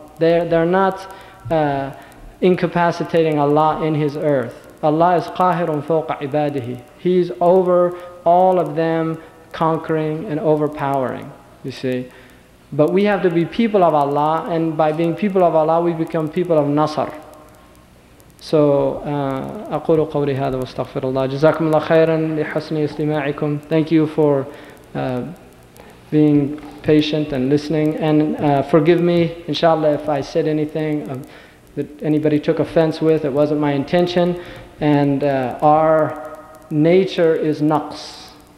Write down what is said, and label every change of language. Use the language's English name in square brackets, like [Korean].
[English] They're not incapacitating Allah in His earth. Allah is [Arabic] qahirun fawqa ibadihi. [English] He's over all of them, conquering and overpowering, you see. But we have to be people of Allah, and by being people of Allah, we become people of Nasr. [Arabic] So, أقول قولي هذا واستغفر الله. جزاكم الله خيرا لحسن استماعكم. [English] Thank you for being patient and listening. And forgive me, inshallah, if I said anything that anybody took offense with. It wasn't my intention. And our nature is naqs.